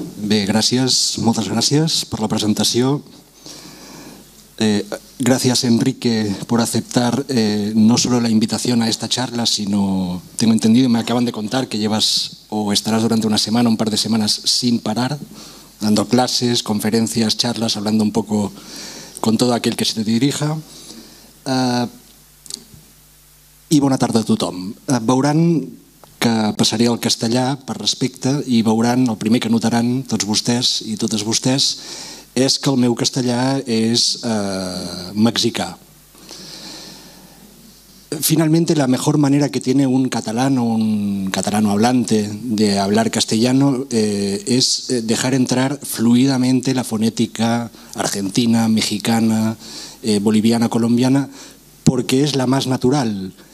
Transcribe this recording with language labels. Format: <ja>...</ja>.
<ca>Bé, gràcies, moltes gràcies per la presentació.</ca> <es>Gracias, Enrique, por aceptar no solo la invitación a esta charla, sino, tengo entendido, me acaban de contar que llevas o estarás durante una semana, un par de semanas sin parar, dando clases, conferencias, charlas, hablando un poco con todo aquel que se te dirija.</es> <ca>I bona tarda a tothom. Veuran que passaré al castellà per respecte i veuran, el primer que notaran tots vostès i totes vostès, és que el meu castellà és mexicà.</ca> <es>Finalmente, la mejor manera que tiene un catalán o un catalano hablante de hablar castellano es dejar entrar fluidamente la fonética argentina, mexicana, boliviana, colombiana, porque es la más natural.</es>